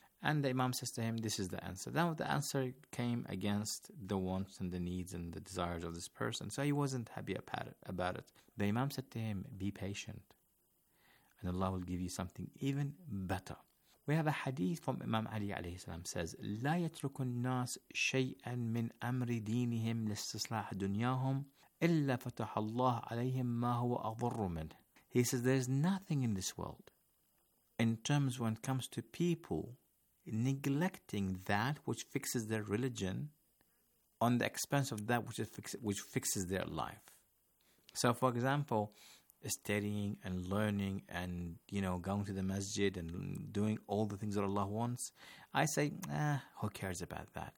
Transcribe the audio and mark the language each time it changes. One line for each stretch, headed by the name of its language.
English: And the Imam says to him, this is the answer. Then the answer came against the wants and the needs and the desires of this person. So he wasn't happy about it. The Imam said to him, be patient. And Allah will give you something even better. We have a hadith from Imam Ali alayhi salam says,
Arabic: لا يترك الناس شيئا من أمر دينهم لاستصلاح دنياهم إلا فتح الله عليهم ما هو أضر منه.
English: He says, there's nothing in this world in terms when it comes to people neglecting that which fixes their religion on the expense of that which, which fixes their life. So for example, studying and learning and, you know, going to the masjid and doing all the things that Allah wants, I say, who cares about that?